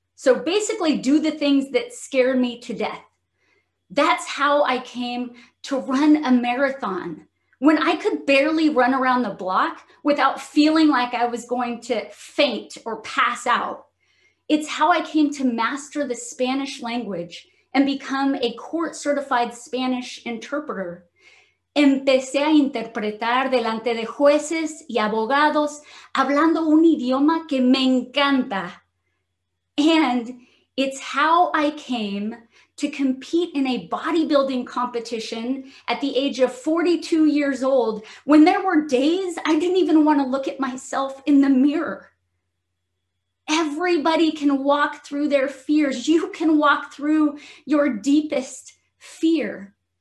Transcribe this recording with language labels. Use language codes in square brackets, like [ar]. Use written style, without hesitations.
[en] So basically do the things that scared me to death. That's how I came to run a marathon, when I could barely run around the block without feeling like I was going to faint or pass out. It's how I came to master the Spanish language and become a court certified Spanish interpreter. [es] Empecé a interpretar delante de jueces y abogados, hablando un idioma que me encanta. [en] And it's how I came to compete in a bodybuilding competition at the age of 42 years old, when there were days I didn't even want to look at myself in the mirror. Everybody can walk through their fears. You can walk through your deepest fear.